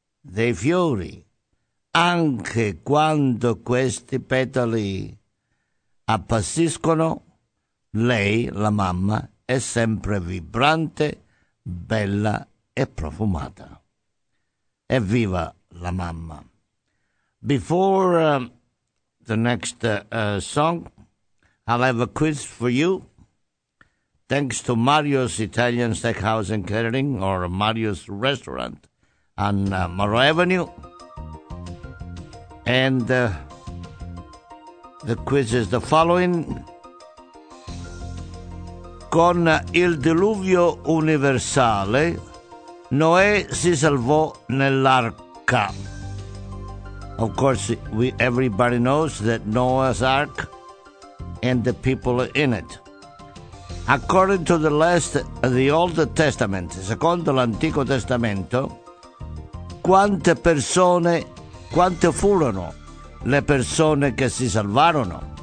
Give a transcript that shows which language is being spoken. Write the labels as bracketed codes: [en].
[it] dei fiori, anche quando questi petali appassiscono, lei, la mamma, è sempre vibrante, bella e profumata. Evviva la mamma! [en] Before the next song, I'll have a quiz for you. Thanks to Mario's Italian Steakhouse and Catering, or Mario's Restaurant on Morrow Avenue. And the quiz is the following. [it] Con il diluvio universale, Noè si salvò nell'arca. [en] Of course, everybody knows that Noah's Ark and the people in it. According to the Old Testament, [it] secondo l'Antico Testamento, quante furono le persone che si salvarono?